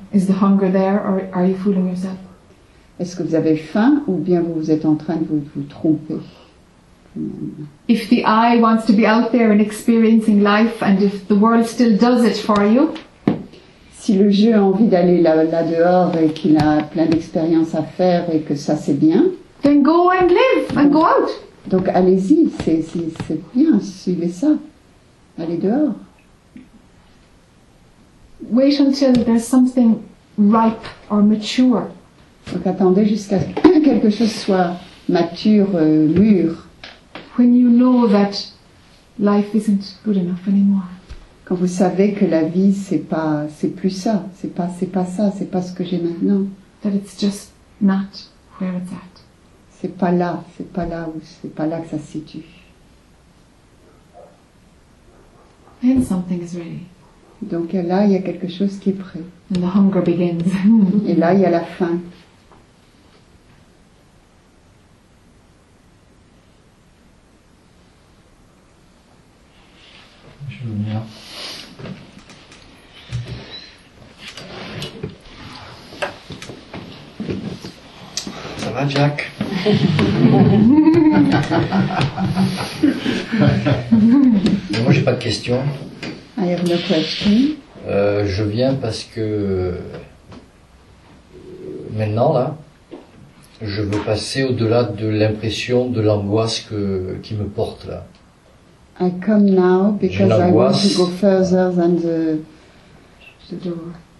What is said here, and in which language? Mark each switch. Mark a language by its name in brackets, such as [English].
[English] Is the hunger there or are you fooling yourself? [French] Est-ce que vous avez faim ou bien vous êtes en train de vous tromper? [English] If the eye wants to be out there and experiencing life, and if the world still does it for you, [French] si le jeu a envie d'aller là dehors et qu'il a plein d'expériences à faire et que ça c'est bien, [English] then go and live and go out. [French] Donc allez-y, c'est bien, suivez ça, allez dehors. [English] Wait until there's something ripe or mature. [French] Donc attendez jusqu'à ce que quelque chose soit mature, mûr. [English] When you know that life isn't good enough anymore. [French] Quand vous savez que la vie c'est plus ça, c'est pas ce que j'ai maintenant. [English] That it's just not where it's at. [French] C'est pas là que ça se situe. [English] Then something is ready. [French] Donc là il y a quelque chose qui est prêt. [English] And the hunger begins. [French] Et là il y a la faim. Ça va, Jack? Moi, j'ai pas de questions. [English] I have no question. [French] Je viens parce que maintenant, là, je veux passer au-delà de l'impression de l'angoisse qui me porte là. [English] I come now because I want to go further than the door.